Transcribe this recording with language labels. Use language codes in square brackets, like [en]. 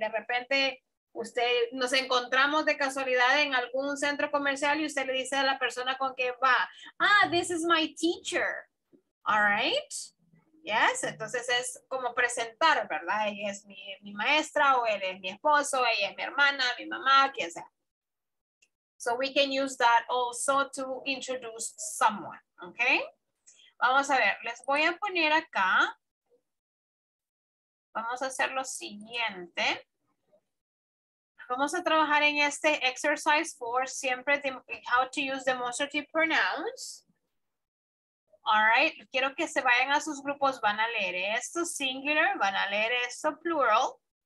[es] De repente, usted, nos encontramos de casualidad en algún centro comercial y usted le dice a la persona con que va, ah, [en] this is my teacher. [es] All right. Yes, entonces es como presentar, ¿verdad? Ella es mi maestra, o él es mi esposo, ella es mi hermana, mi mamá, quien sea. [en] So we can use that also to introduce someone, okay? [es] Vamos a ver, les voy a poner acá. Vamos a hacer lo siguiente. Vamos a trabajar en este exercise for siempre [en] how to use demonstrative pronouns. [es] All right, quiero que se vayan a sus grupos, van a leer esto singular, van a leer esto plural.